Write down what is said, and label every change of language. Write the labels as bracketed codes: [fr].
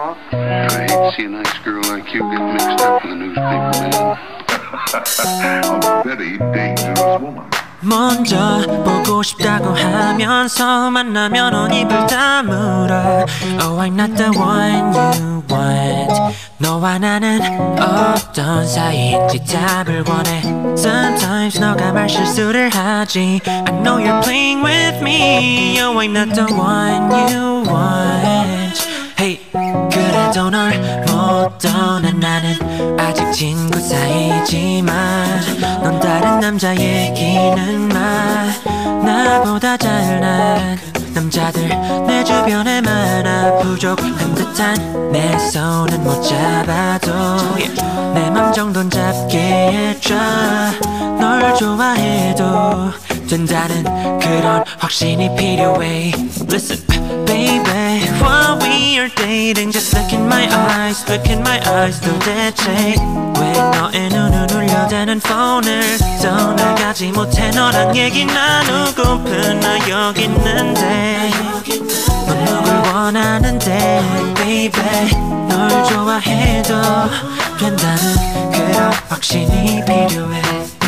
[en] See a nice girl like you get mixed up with a newspaper man. A very dangerous woman. [ko] 먼저 보고 싶다고 하면서 만나면 온 입을 다물어. [en] Oh, I'm not the one you want. [ko] 너와 나는 어떤 사이인지 답을 원해. Sometimes 너가 말 실수를 하지. [en] I know you're playing with me. Oh, I'm not the one you want. [ko] Hey, 그래도 널 못 떠나. 나는 아직 친구 사이지만 넌 다른 남자 얘기는 마. 나보다 잘난 남자들 내 주변에 많아. 부족한 듯한 내 손은 못 잡아도 내 맘 정도는 잡게 해줘. 널 좋아해도 된다는 그런 확신이 필요해. [en] Listen, baby. While we are dating, just look in my eyes, look in my eyes. [ko] 도대체 왜 너의 눈을 울려대는 phone을 떠나가지 못해. 너랑 얘기 나누고픈 나 여기 있는데 넌 누굴 원하는데. Baby, 널 좋아해도 된다는 그런 확신이 필요해.